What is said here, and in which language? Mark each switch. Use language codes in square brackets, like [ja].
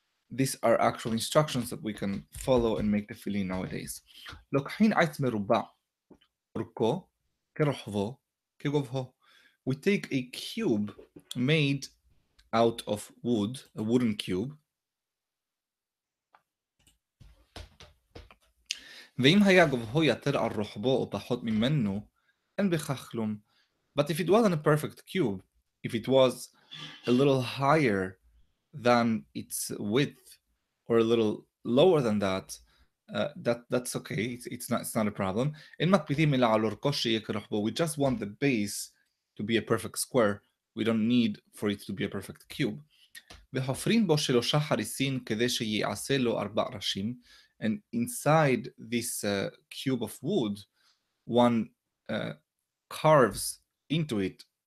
[en] These are actual instructions that we can follow and make tefillin nowadays. [he] לוקחין עץ מרובע, אורכו, כרוחבו, כגובהו. [en] We take a cube made out of wood, a wooden cube. [he] ואם היה גובהו יתר על רוחבו או פחות ממנו, אין בכך כלום. [en] But if it wasn't a perfect cube, if it was a little higher than its width, or a little lower than that, that's okay, it's not a problem. [he] אין מקפידים אלא על אורכו שיהיה כרוחבו. [en] We just want the base to be a perfect square. We don't need for it to be a perfect cube. [he] וחופרים בו שלושה חריסים כדי שיעשה לו 4 ראשים. [en] And inside this cube of wood, one carves into it